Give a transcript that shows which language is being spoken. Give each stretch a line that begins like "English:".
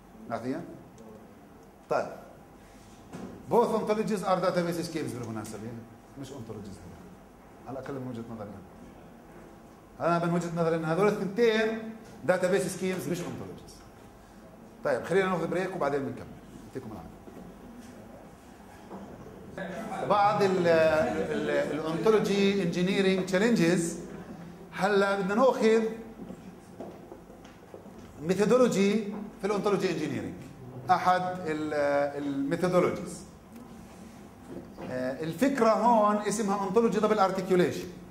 Arabic: ناثيان، طيب
English: both ontologies are database schemes
Arabic: بالمناسبة، مش ontologies هذول، على الأقل من وجهة نظري أنا. من وجهة نظري أن هذول الثنتين database schemes مش ontologies. طيب خلينا ناخذ بريك وبعدين بنكمل. يعطيكم العافية. بعض الـ ontology engineering challenges. هلا بدنا ناخذ methodology في الـ ontology engineering، أحد الـ methodologies. الفكرة هون اسمها ontology double articulation.